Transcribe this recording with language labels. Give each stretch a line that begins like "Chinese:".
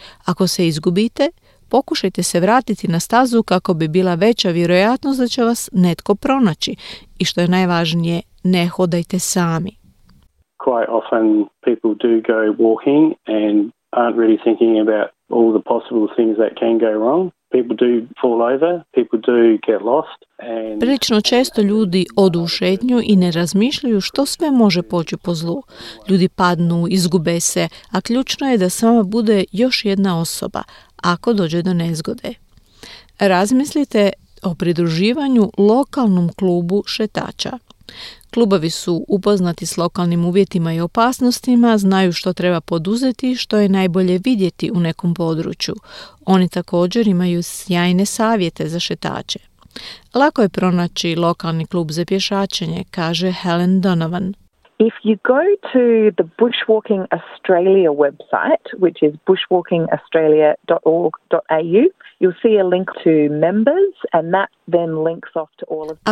Croatian: Ako se izgubite, pokušajte se vratiti na stazu kako bi bila veća vjerojatnost da će vas netko pronaći. I što je najvažnije, ne hodajte sami.
English: Quite often people do go walking and aren't really thinking about all the possible things that can go wrong. People do fall over, people do get lost.
Croatian: Prilično često ljudi odu u šetnju i ne razmišljaju što sve može poći po zlu. Ljudi padnu, izgube se, a ključno je da s vama bude još jedna osoba ako dođe do nezgode. Razmislite o pridruživanju lokalnom klubu šetača. Klubovi su upoznati s lokalnim uvjetima i opasnostima, znaju što treba poduzeti i što je najbolje vidjeti u nekom području. Oni također imaju sjajne savjete za šetače. Lako je pronaći lokalni klub za pješačenje, kaže Helen Donovan.
English: If you go to the Bushwalking Australia website, which is bushwalkingaustralia.org.au, you'll see a link to members and that then links off to all of the.